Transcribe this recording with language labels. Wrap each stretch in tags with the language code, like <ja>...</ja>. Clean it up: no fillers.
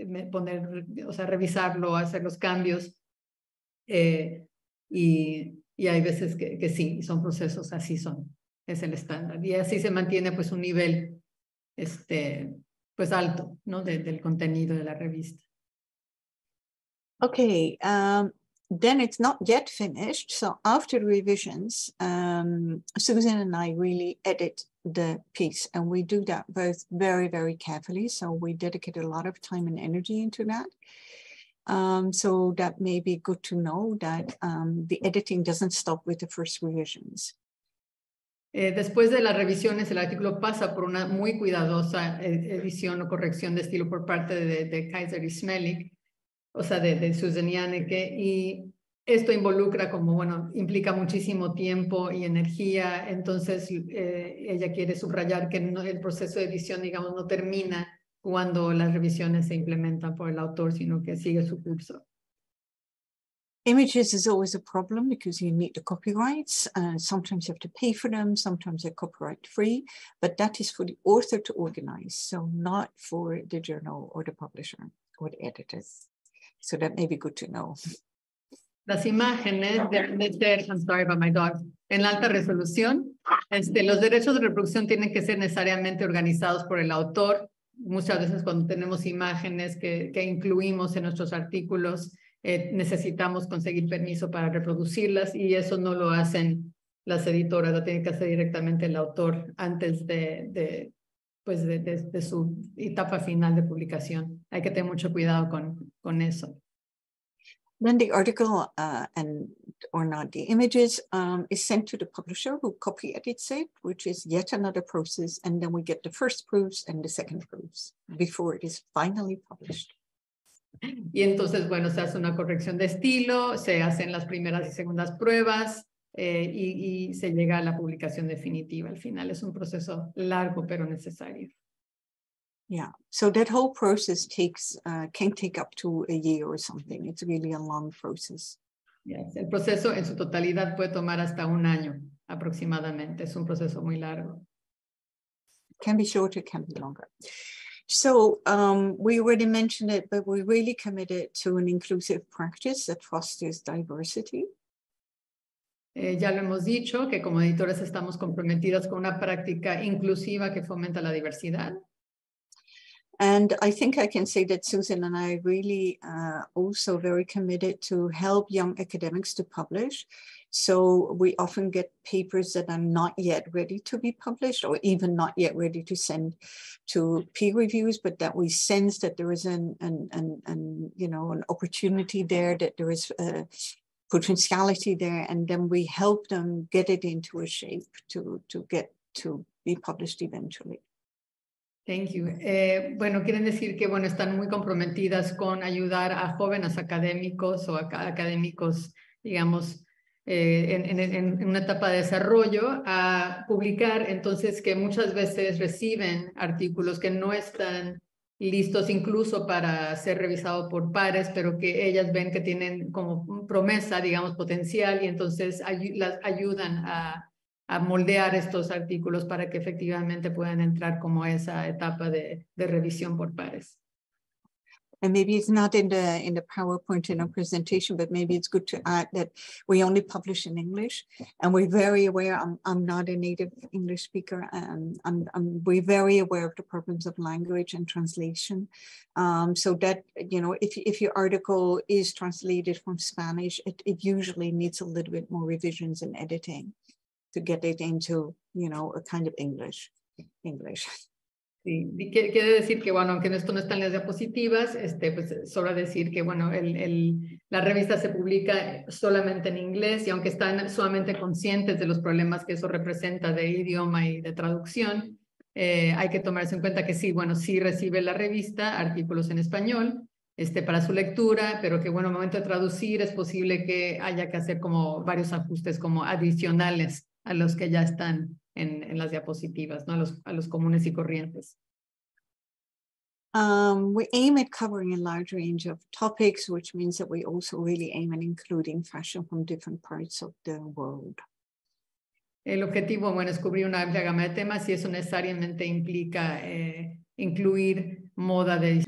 <es>Poner, o sea, revisarlo, hacer los cambios, y hay veces que sí, son procesos, así son, es el estándar, y así se mantiene pues un nivel pues alto, ¿no?, del contenido de la revista.</es> <en>Okay, then it's not yet finished, so after the revisions, Susan and I really edit the piece, and we do that both very, very carefully, so we dedicate a lot of time and energy into that. So that may be good to know that the editing doesn't stop with the first revisions. Después de las revisiones, el artículo pasa por una muy cuidadosa edición o corrección de estilo por parte de Kaiser y Smellick, o sea, de Susan Yaneke, y esto involucra, como bueno, implica muchísimo tiempo y energía, entonces ella quiere subrayar que no, el proceso de edición, digamos, no termina cuando las revisiones se implementan por el autor, sino que sigue su curso. Images is always a problem because you need the copyrights, and sometimes you have to pay for them, sometimes they're copyright free, but that is for the author to organize, so not for the journal or the publisher or the editors. So that may be good to know.</en> <es>Las imágenes deben de ser,</es> <en>I'm sorry about my dog,</en> <es>en alta resolución. Los derechos de reproducción tienen que ser necesariamente organizados por el autor. Muchas veces cuando tenemos imágenes que incluimos en nuestros artículos, necesitamos conseguir permiso para reproducirlas, y eso no lo hacen las editoras, lo tiene que hacer directamente el autor antes de su etapa final de publicación. Hay que tener mucho cuidado con eso.</es> <en>Then the article and or not the images is sent to the publisher, who copy edits it, which is yet another process, and then we get the first proofs and the second proofs before it is finally published.</en> <es>Y entonces, bueno, se hace una corrección de estilo, se hacen las primeras y segundas pruebas, y se llega a la publicación definitiva. Al final es un proceso largo pero necesario.</es> <en>Yeah, so that whole process can take up to a year or something. It's really a long process.</en> <es>Yes, el proceso en su totalidad puede tomar hasta un año aproximadamente. Es un proceso muy largo.</es> <en>Can be shorter, can be longer. So we already mentioned it, but we're really committed to an inclusive practice that fosters diversity.</en> <es>Ya lo hemos dicho, que como editores estamos comprometidas con una práctica inclusiva que fomenta la diversidad.</es> <en>And I think I can say that Susan and I really are also very committed to help young academics to publish. So we often get papers that are not yet ready to be published or even not yet ready to send to peer reviews, but that we sense that there is an opportunity there, that there is a potentiality there, and then we help them get it into a shape to get to be published eventually. Thank you.</en> <es>Bueno, quieren decir que bueno, están muy comprometidas con ayudar a jóvenes académicos o académicos, digamos, en una etapa de desarrollo a publicar, entonces que muchas veces reciben artículos que no están listos incluso para ser revisados por pares, pero que ellas ven que tienen como promesa, digamos, potencial, y entonces las ayudan a moldear estos artículos para que efectivamente puedan entrar como esa etapa de revisión por pares.</es> <en>And maybe it's not in the PowerPoint in our presentation, but maybe it's good to add that we only publish in English, and we're very aware. I'm not a native English speaker, and we're very aware of the problems of language and translation. So that, you know, if your article is translated from Spanish, it usually needs a little bit more revisions and editing to get it into, you know, a kind of English.</en> <es>Sí, quiere decir que, bueno, aunque esto no está en las diapositivas, pues sobra decir que, bueno, la revista se publica solamente en inglés, y aunque están sumamente conscientes de los problemas que eso representa de idioma y de traducción, hay que tomarse en cuenta que sí, bueno, sí recibe la revista artículos en español para su lectura, pero que, bueno, al momento de traducir es posible que haya que hacer como varios ajustes como adicionales a los que ya están en las diapositivas, ¿no? A los comunes y corrientes.</es> <en>We aim at covering a large range of topics, which means that we also really aim at including fashion from different parts of the world.</en> <es>El objetivo, bueno, es cubrir una amplia gama de temas, y eso necesariamente implica incluir moda de</es>